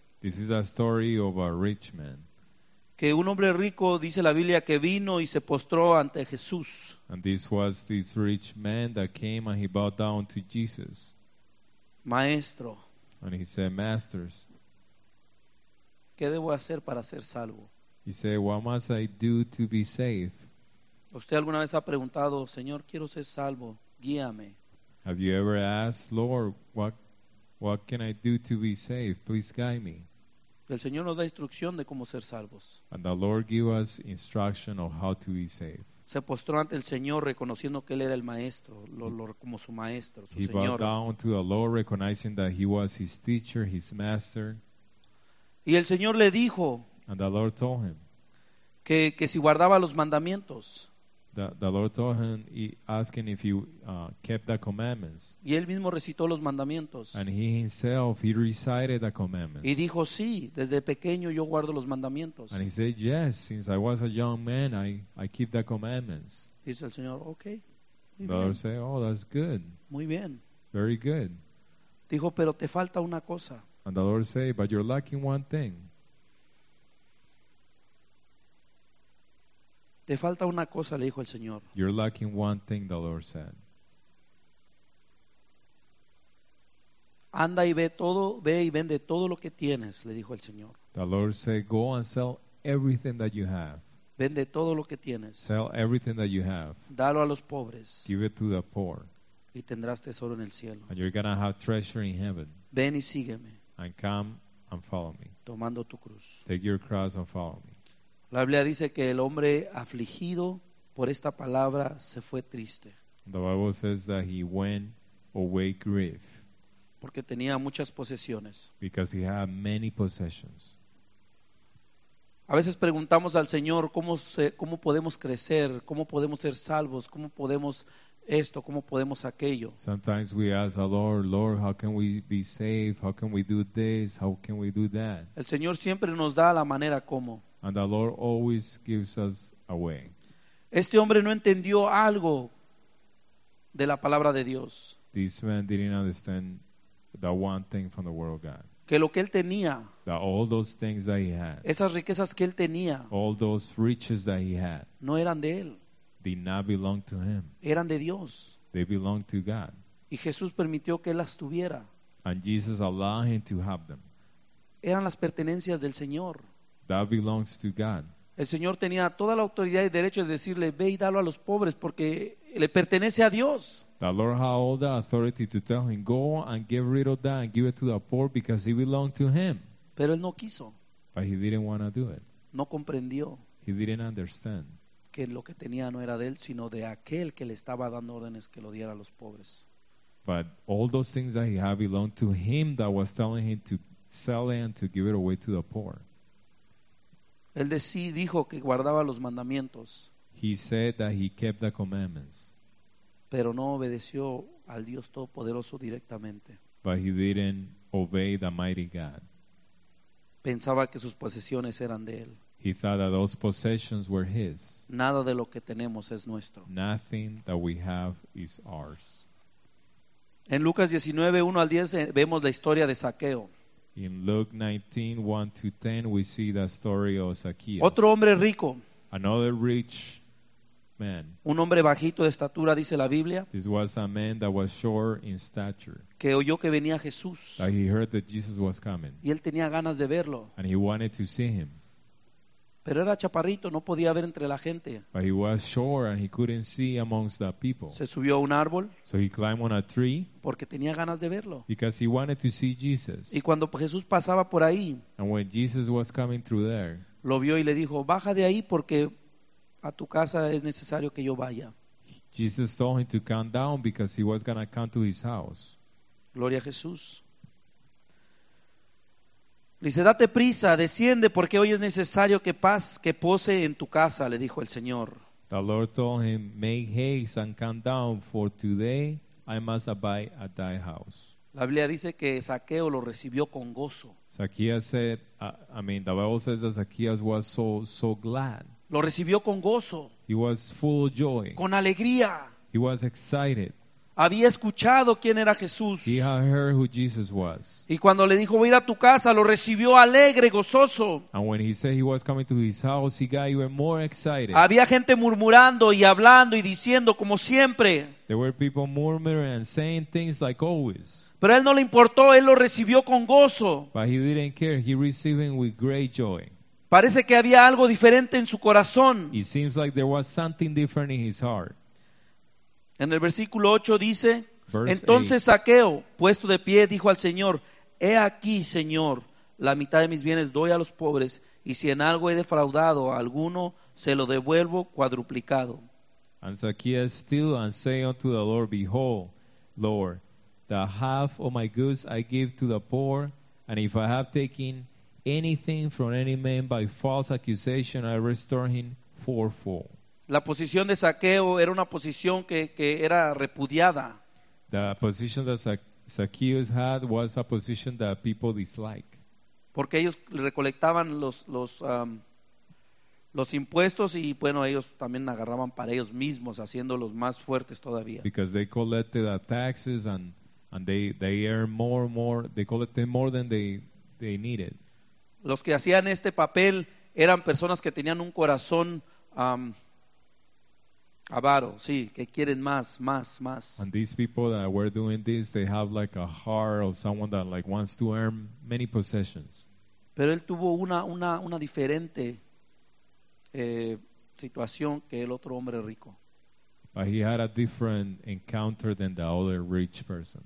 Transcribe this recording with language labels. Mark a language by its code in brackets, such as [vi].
[en] This is a story of a rich man. [es] Que un hombre rico, dice la Biblia, que vino y se postró ante Jesús. [en] And this was this rich man that came and he bowed down to Jesus. [es] Maestro. [en] And he said, masters. [es] ¿Qué debo hacer para ser salvo? [en] He said, what must I do to be saved? [es] ¿Usted alguna vez ha preguntado, Señor, quiero ser salvo, guíame? [en] Have you ever asked, Lord, what can I do to be saved? Please guide me. [es] El Señor nos da instrucción de cómo ser salvos. [en] And the Lord gave us instruction of how to be saved. [es] Se postró ante el Señor reconociendo que él era el maestro, lo como su maestro, su [en] he [es] Señor. [en] He bowed down to the Lord recognizing that he was his teacher, his master. [es] Y el Señor le dijo. [en] And the Lord told him. [es] Que si guardaba los mandamientos. [en] The Lord told him, asking if he kept the commandments. [es] Y él mismo recitó los mandamientos. [en] And he himself, he recited the commandments. [es] Y dijo, sí, desde pequeño yo guardo los mandamientos. [en] And he said, yes, since I was a young man, I keep the commandments. [es] Dice el Señor, okay. [en] The Lord said, oh, that's good. [es] Muy bien. [en] Very good. [es] Dijo, pero te falta una cosa. [en] And the Lord said, but you're lacking one thing. [es] Te falta una cosa, le dijo el Señor. [en] You're lacking one thing, the Lord said. [es] Anda y ve todo, ve y vende todo lo que tienes, le dijo el Señor. [en] The Lord said, go and sell everything that you have. [es] Vende todo lo que tienes. [en] Sell everything that you have. [es] Dalo a los pobres. [en] Give it to the poor. [es] Y tendrás tesoro en el cielo. [en] And you're going to have treasure in heaven. [es] Ven y sígueme. [en] And come and follow me. [es] Tomando tu cruz. [en] Take your cross and follow me. [es] La Biblia dice que el hombre afligido por esta palabra se fue triste. [en] The Bible says that he went away grief. [es] Porque tenía muchas posesiones. [en] Because he had many possessions. [es] A veces preguntamos al Señor cómo podemos crecer, cómo podemos ser salvos, cómo podemos esto, cómo podemos aquello. [en] Sometimes we ask the Lord, Lord, how can we be saved? How can we do this? How can we do that? [es] El Señor siempre nos da la manera cómo. [en] And the Lord always gives us a way. [es] Este hombre no entendió algo de la palabra de Dios. [en] This man didn't understand the one thing from the word of God. [es] Que lo que él tenía, [en] that all those things that he had, [es] esas riquezas que él tenía, [en] all those riches that he had, [es] no eran de él. [en] Did not belong to him. [es] Eran de Dios. [en] They belonged to God. [es] Y Jesús permitió que él las tuviera. [en] And Jesus allowed him to have them. [es] Eran las pertenencias del Señor. [en] That belongs to God. [es] El Señor tenía toda la autoridad y derecho de decirle, ve y dalo a los pobres porque le pertenece a Dios. [en] The Lord had all the authority to tell him, go and get rid of that and give it to the poor because it belonged to him. [es] Pero él no quiso. [en] But he didn't want to do it. [es] No comprendió. [en] He didn't understand. [es] Que lo que tenía no era de él, sino de aquel que le estaba dando órdenes que lo diera a los pobres. [en] But all those things that he had belonged to him that was telling him to sell it and to give it away to the poor. [es] Él de sí dijo que guardaba los mandamientos. [en] He said that he kept the commandments. [es] Pero no obedeció al Dios Todopoderoso directamente. [en] But he didn't obey the mighty God. [es] Pensaba que sus posesiones eran de él. [en] He thought that those possessions were his. [es] Nada de lo que tenemos es nuestro. [en] Nothing that we have is ours. [es] En Lucas 19:1-10 vemos la historia de Zaqueo. [en] In Luke 19:1-10, we see the story of Zacchaeus. [es] Otro hombre rico. [en] Another rich man. [es] Un hombre bajito de estatura, dice la Biblia. [en] This was a man that was short in stature. [es] Que oyó que venía Jesús. [en] That he heard that Jesus was coming. [es] Y él tenía ganas de verlo. [en] And he wanted to see him. [es] Pero era chaparrito, no podía ver entre la gente. [en] But he was short and he couldn't see amongst the people. [es] Se subió a un árbol. [en] So he climbed on a tree. [es] Porque tenía ganas de verlo. [en] Because he wanted to see Jesus. [es] Y cuando Jesús pasaba por ahí. [en] And when Jesus was coming through there. [es] Lo vio y le dijo, baja de ahí porque a tu casa es necesario que yo vaya. Jesus told him to come down because he was going to come to his house. Gloria a Jesús. Dice, date prisa, desciende, porque hoy es necesario que paz que pose en tu casa, le dijo el Señor. [en] The Lord told him, make haste and come down, for today I must abide at thy house. [es] La Biblia dice que Zaqueo lo recibió con gozo. [en] Zacchaeus said, the Bible says that Zacchaeus was so glad. [es] Lo recibió con gozo. [en] He was full of joy. [es] Con alegría. [en] He was excited. [es] Había escuchado quién era Jesús. [en] He had heard who Jesus was. [es] Y cuando le dijo, voy a ir a tu casa, lo recibió alegre, gozoso. [en] And when he said he was coming to his house, he got even more excited. [es] Había gente murmurando y hablando y diciendo, como siempre. [en] There were people murmuring and saying things like always. [es] Pero a él no le importó, él lo recibió con gozo. [en] But he didn't care, he received him with great joy. [es] Parece que había algo diferente en su corazón. [en] It seems like there was something different in his heart. [es] En el versículo 8 dice, [en] verse [es] entonces [en] eight. [es] Zaqueo, puesto de pie, dijo al Señor, he aquí, Señor, la mitad de mis bienes doy a los pobres, y si en algo he defraudado a alguno, se lo devuelvo cuadruplicado. [en] And Zaqueo stood and said unto the Lord, behold, Lord, the half of my goods I give to the poor, and if I have taken anything from any man by false accusation, I restore him fourfold. [es] La posición de Zaqueo era una posición que era repudiada. [en] The position that Zacchaeus had was a position that people disliked. [es] Porque ellos recolectaban los impuestos y bueno, ellos también agarraban para ellos mismos, haciéndolos más fuertes todavía. [en] Because they collected the taxes and they earned more, they collected more than they needed. [es] Los que hacían este papel eran personas que tenían un corazón avaro, sí, que quieren más. [en] And these people that were doing this, they have like a heart of someone that like wants to earn many possessions. [es] Pero él tuvo una diferente situación que el otro hombre rico. [en] But he had a different encounter than the other rich person.